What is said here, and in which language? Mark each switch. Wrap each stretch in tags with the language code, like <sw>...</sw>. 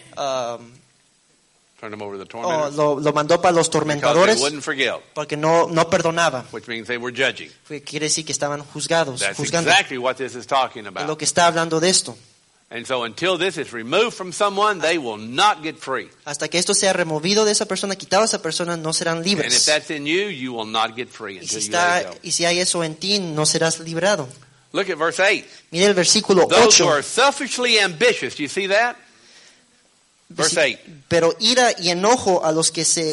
<en>turned them over to the tormentors?</en> <es>Lo mandó para los tormentadores</es> <en>because they wouldn't forgive.</en> <es>Porque no perdonaba.</es> <en>Which means they were judging.</en> <es>Quiere decir que estaban juzgados.</es> <en>That's</en> <es>juzgando.</es> <en>Exactly what this is talking about.</en> <es>Es lo que está hablando de esto.</es> <en>And so until this is removed from someone, they will not get free.</en> <es>Hasta que esto sea removido de esa persona, quitado de esa persona, no serán libres.</es> <en>And if that's in you, you will not get free until</en> <es>y si hay eso en ti, no serás liberado.</es> <en>Look at verse 8.</en> <es>Mira el versículo 8.</es> <en>Those who are selfishly ambitious, do you see that? Verse 8.</en> <es>Pero ira y enojo a los que se</es>